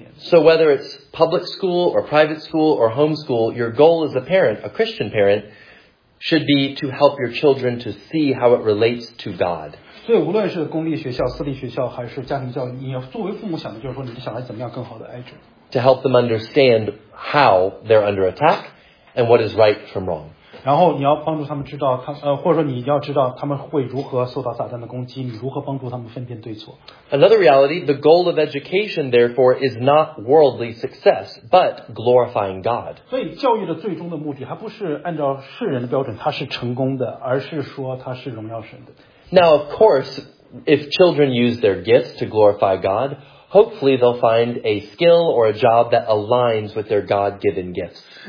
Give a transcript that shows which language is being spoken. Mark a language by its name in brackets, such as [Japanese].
[English] So whether it's public school or private school or homeschool, your goal as a parent, a Christian parent, should be to help your children to see how it relates to God. [Chinese] 所以无论是公立学校、私立学校还是家庭教育，你作为父母想的就是说，你的小孩怎么样更好的爱主。 [English] To help them understand how they're under attack and what is right from wrong. [Chinese] 然后你要帮助他们知道，或者说你要知道他们会如何受到撒旦的攻击，你如何帮助他们分辨对错。 [English] Another reality, the goal of education, therefore, is not worldly success, but glorifying God. [Chinese] 所以教育的最终的目的，它不是按照世人的标准，它是成功的，而是说它是荣耀神的。 [English] Now, of course, if children use their gifts to glorify God, hopefully they'll find a skill or a job that aligns with their God-given gifts.